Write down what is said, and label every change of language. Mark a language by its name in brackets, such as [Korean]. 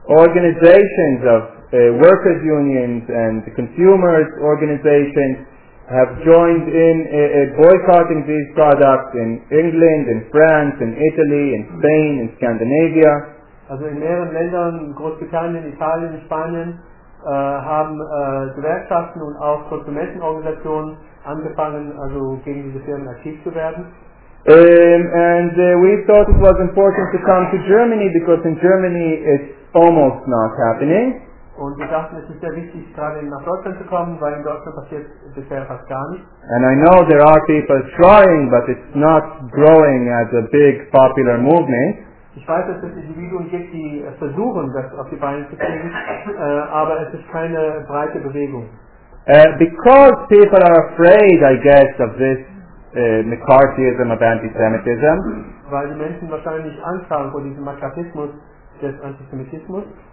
[English] Organizations of workers unions and consumers organizations have joined in boycotting these products in England, in France, in Italy, in Spain, in Scandinavia. [German] Also in mehreren Ländern, Großbritannien, Italien, Spanien, haben Gewerkschaften und auch Konsumentenorganisationen angefangen, also gegen diese Firmen aktiv zu werden. [English] We thought it was important to come to Germany because in Germany it's almost not happening. [German] Und wir dachten, es ist sehr wichtig, gerade nach Deutschland zu kommen, weil in Deutschland passiert bisher fast gar nichts. [English] And I know there are people trying, but it's not growing as a big popular movement. [German] Ich weiß, dass es Individuen gibt, die versuchen, das auf die Beine zu kriegen, aber es ist keine breite Bewegung. [English] Because people are afraid, I guess, of this McCarthyism of anti-Semitism. [German] Weil die Menschen wahrscheinlich Angst haben vor diesem Machartismus des Antisemitismus.